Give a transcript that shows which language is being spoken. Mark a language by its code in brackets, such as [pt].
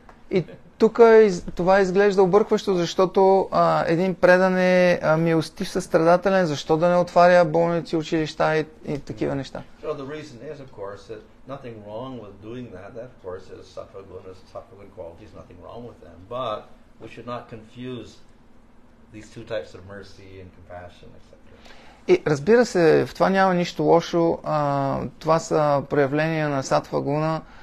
[bg] И тук това изглежда объркващо, защото един предан е милостив, състрадателен, защо да не отваря болници, училища и такива неща. [en] So the reason is, of course, that nothing wrong with doing that. That, of course, is sattva-guna qualities, nothing wrong with them. But we should not confuse these two types of mercy and compassion, etc. [bg] И разбира се, в това няма нищо лошо. Това са проявления на сатва-гуна.